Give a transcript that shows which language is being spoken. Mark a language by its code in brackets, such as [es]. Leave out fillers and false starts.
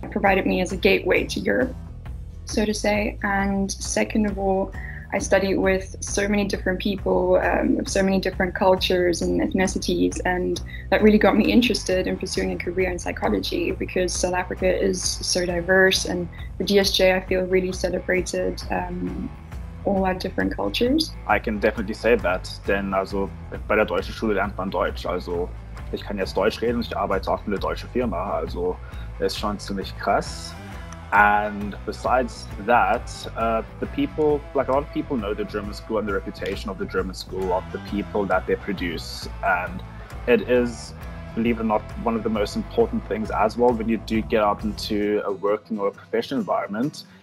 [en] It provided me as a gateway to Europe, so to say, and second of all, I studied with so many different people of so many different cultures and ethnicities, and that really got me interested in pursuing a career in psychology because South Africa is so diverse and the DSJ, I feel, really celebrated all our different cultures. I can definitely say that, [de] denn also bei der deutschen Schule lernt man Deutsch. Also ich kann jetzt Deutsch reden und ich arbeite auch in der deutschen Firma. Also ist schon ziemlich krass. [en] And besides that, the people, like a lot of people know the German school and the reputation of the German school, of the people that they produce. And it is, believe it or not, one of the most important things as well when you do get out into a working or a professional environment.